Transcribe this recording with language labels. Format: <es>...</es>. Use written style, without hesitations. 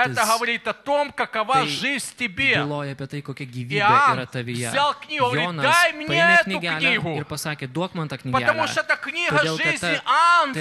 <ru>Это говорит о том, какова жизнь тебе.</ru> <lt>Byloja apie tai, kokia gyvybė yra tavyje.</lt> <ru>Взял книгу, Jonas, дай мне эту книгу.</ru> <lt>Ir pasakė, duok man tą knygelę.</lt> <ru>Потому что это книга жизни Анса.</ru>